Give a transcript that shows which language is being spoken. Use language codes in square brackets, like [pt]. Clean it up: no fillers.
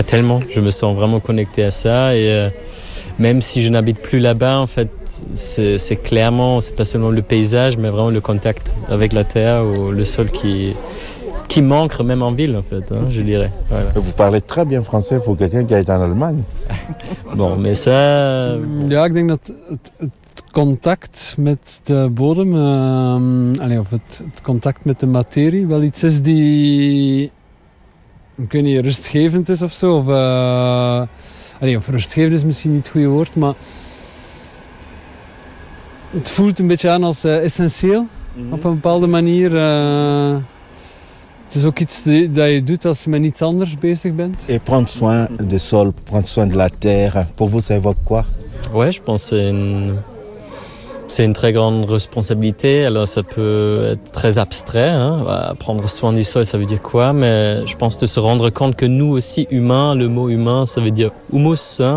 [fr] Ah, tellement, je me sens vraiment connecté à ça, et même si je n'habite plus là-bas, en fait, c'est clairement, c'est pas seulement le paysage, mais vraiment le contact avec la terre ou le sol qui manque même en ville, en fait, hein, je dirais. Voilà. Vous parlez très bien français pour quelqu'un qui a été en Allemagne. Bon, mais ça... [nl] Ja, ik denk dat het contact met de bodem, of het contact met de materie wel iets is die, ik weet niet, rustgevend is of zo, of rustgevend is misschien niet het goede woord, maar het voelt een beetje aan als essentieel, op een bepaalde manier. Het is ook iets dat je doet als je met iets anders bezig bent. [fr] Et prendre soin de sol, prendre soin de la terre, pour vous ça évoque quoi? Ouais, je pense que c'est une très grande responsabilité. Alors ça peut être très abstrait, hein. Prendre soin du sol, ça veut dire quoi? Mais je pense de se rendre compte que nous aussi, humains, le mot humain, ça veut dire humus, hein.